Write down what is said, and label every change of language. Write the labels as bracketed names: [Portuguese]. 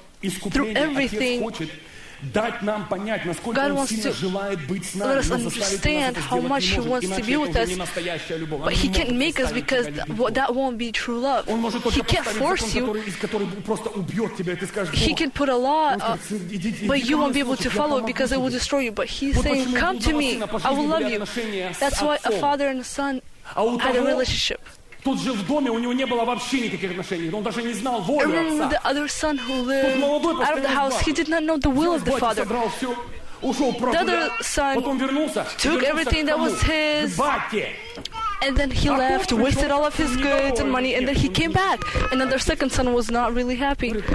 [English] Through everything, God wants to let us understand how much he wants to be with us, but he can't make us, because that won't be true love. He can't force you. He can put a law, but you won't be able to follow because it will destroy you. But he's saying, come to me, I will love you. That's why a father and a son had a relationship. [Russian] Тут же в доме у него не было вообще никаких отношений. Он даже не знал волю отца. [English] Remember the other son who lived out of the house. He did not know the will of the father. [Russian] Ушел просто. [English] The other son took everything that was his. And then he left, wasted all of his goods and money, and then he came back. And then their second son was not really happy.